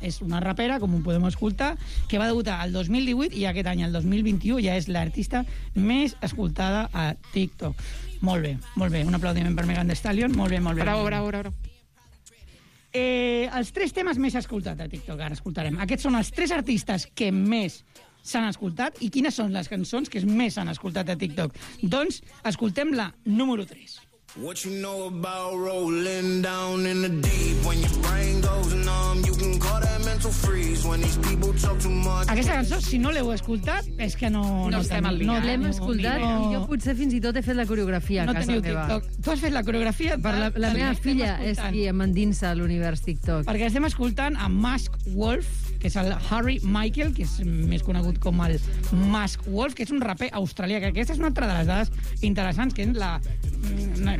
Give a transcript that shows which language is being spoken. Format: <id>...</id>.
<ca>És una rapera, com ho podem escoltar, que va debutar el 2018 i aquest any, el 2021, ja és l'artista més escoltada a TikTok. Molt bé, molt bé. Un aplaudiment per Megan Thee Stallion. Molt bé, molt bé. Bravo. Els tres temes més escoltats a TikTok ara escoltarem. Aquests són els tres artistes que més s'han escoltat i quines són les cançons que més s'han escoltat a TikTok. Doncs escoltem la número 3.</ca> <en>What you know about rolling down in the deep when your brain goes numb, you can call that mental freeze when these people talk too much.</en> <ca>Aquesta cançó, si no l'heu escoltat, és que no l'hem escoltat. Jo potser fins i tot he fet la coreografia no a casa meva. Tu has fet la coreografia? Per la meva filla és qui m'endinsa a l'univers TikTok. Perquè estem escoltant a Mask Wolf, que és el Harry Michael, que és més conegut com el Mask Wolf, que és un raper australià, que aquesta és una altra de les dades interessants, que és la...</ca>